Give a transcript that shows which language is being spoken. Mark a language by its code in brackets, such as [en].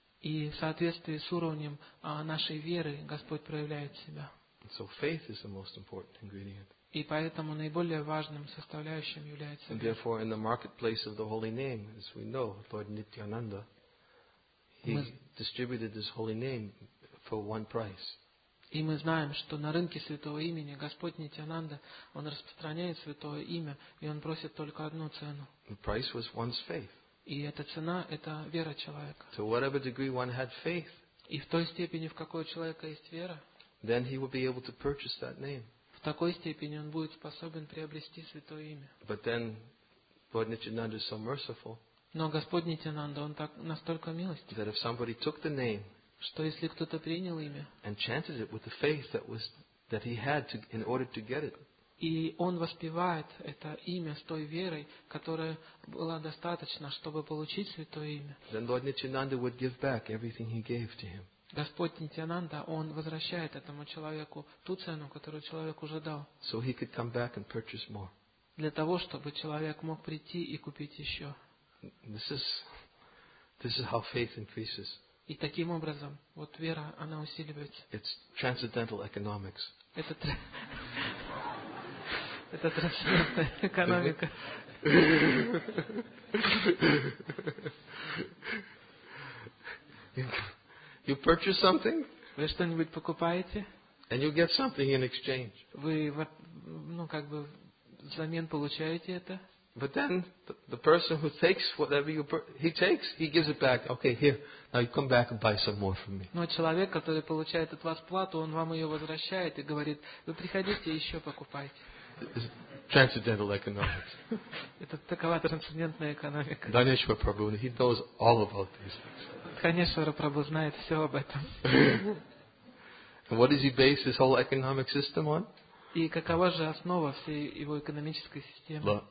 [ru] И в соответствии с уровнем нашей веры Господь проявляет Себя. [en] And so faith is the most important ingredient. [ru] И поэтому наиболее важным составляющим является. [en] And therefore, in the marketplace of the holy name, as we know, Lord Nityananda, He distributed this holy name for one price. [ru] И мы знаем, что на рынке святого имени Господь Нитьянанда, Он распространяет святое имя, и Он просит только одну цену. [en] The price was one's faith. [ru] И эта цена – это вера человека. [en] To whatever degree one had faith. [ru] И в той степени, в какой у человека есть вера. [en] Then he would be able to purchase that name. [ru] В такой степени он будет способен приобрести святое имя. [en] But then, Lord Nityananda is so merciful. [ru] Но Господь Нитьянанда, Он так настолько милостив. [en] That if somebody took the name. [ru] Что если кто-то принял имя. [en] And chanted it with the faith that he had to in order to get it. [ru] И он воспевает это имя с той верой, которая была достаточна, чтобы получить святое имя. [en] Then Lord Nityananda would give back everything he gave to him. [ru] Господь Нитьянанда, Он возвращает этому человеку ту цену, которую человек уже дал. [en] So he could come back and purchase more. [ru] Для того, чтобы человек мог прийти и купить еще. [en] This is how faith increases. [ru] И таким образом, вот вера, она усиливается. [en] It's transcendental economics. [ru] Это Это трансцендентная экономика. [en] You purchase something? [ru] Вы что-нибудь покупаете? [en] And you get something in exchange. [ru] Вы, ну, как бы взамен получаете это? [en] But then the person who takes whatever you he gives it back. Okay, here. Now you come back and buy some more from me. [ru] Но человек, который получает от вас плату, он вам ее возвращает и говорит: вы приходите еще покупайте. [en] Transcendental economics. [ru] Это такова трансцендентная экономика. [en] Dhaneshwar Prabhu, he knows all about these things. [ru] Dhaneshwar Prabhu знает все об этом. [en] And what does he base his whole economic system on? [ru] И какова же основа всей его экономической системы?